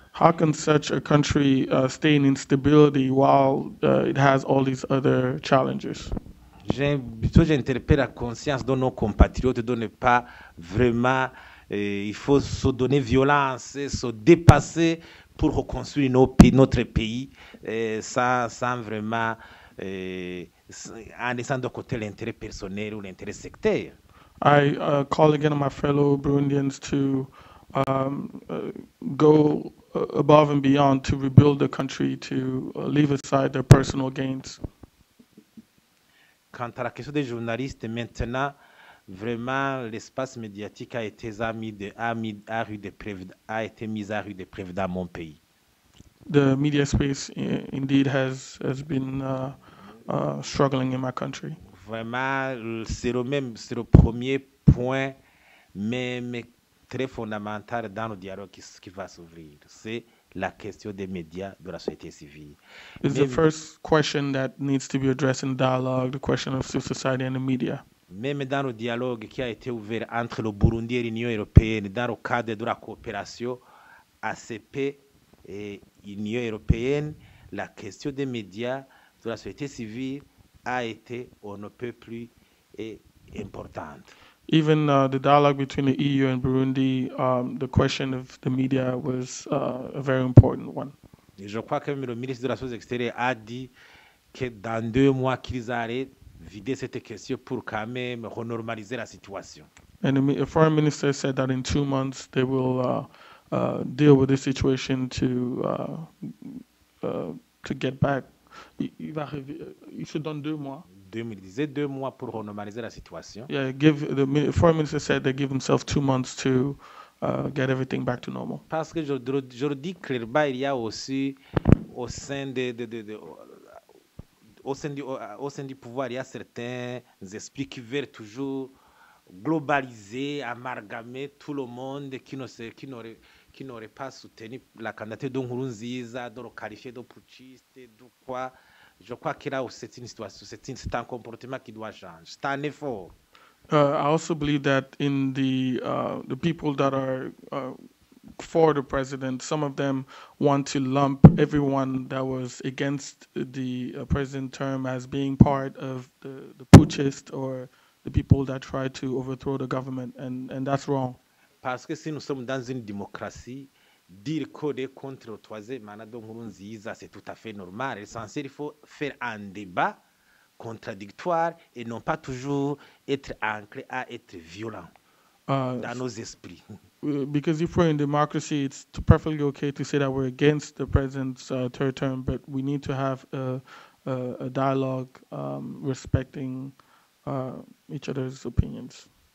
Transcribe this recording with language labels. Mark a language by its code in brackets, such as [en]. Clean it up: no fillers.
[en] How can such a country stay in instability while it has all these other challenges? [fr] J'interpelle la conscience de nos compatriotes de ne pas vraiment, il faut se donner violence, se dépasser pour reconstruire notre pays sans vraiment, en laissant de côté l'intérêt personnel ou l'intérêt sectaire. [en] I call again on my fellow Burundians to go above and beyond to rebuild the country, to leave aside their personal gains. [fr] Quant à la question des journalistes, maintenant, vraiment, l'espace médiatique a été mis à rude épreuve dans mon pays. [en] The media space indeed has been struggling in my country. [fr] Vraiment, c'est le premier point, même très fondamental dans le dialogue qui va s'ouvrir. C'est la question des médias de la société civile. [en] It's the first question that needs to be addressed in dialogue, the question of civil society and the media. [fr] même dans le dialogue qui a été ouvert entre le Burundi et l'Union européenne dans le cadre de la coopération ACP et l'Union européenne, la question des médias, de la société civile a été, on ne peut plus, importante. [en] Even the dialogue between the EU and Burundi, the question of the media was a very important one. [fr] Et je crois que même le ministre de la société extérieure a dit que dans 2 mois, qu'ils allaient vider cette question pour quand même renormaliser la situation. [en] And the foreign minister said that in 2 months they will deal with the situation to get back. [fr] Il va arriver, il se donne 2 mois. Deux mois pour renormaliser la situation. [en] Yeah, the foreign minister said they give themselves 2 months to get everything back to normal. [fr] Parce que je le dis clairement, il y a aussi au sein de au sein du pouvoir, il y a certains esprits qui veulent toujours globaliser, amalgamer tout le monde qui n'aurait pas soutenu la candidature de Nkurunziza, de le qualifier de putschiste, de quoi. Je crois qu'il y a aussi une situation, c'est un comportement qui doit changer. C'est un effort. [en] I also believe that in the people that are for the president, some of them want to lump everyone that was against the president term as being part of the putschist or the people that tried to overthrow the government, and that's wrong. [fr] Parce que si nous sommes dans une démocratie, dire qu'on est contre le troisième mandat de Nkurunziza, c'est tout à fait normal. Il faut faire un débat contradictoire et non pas toujours être ancré à être violent dans nos esprits. [en] Because if we're in democracy, it's perfectly okay to say that we're against the president's third term, but we need to have a dialogue respecting each other's opinions.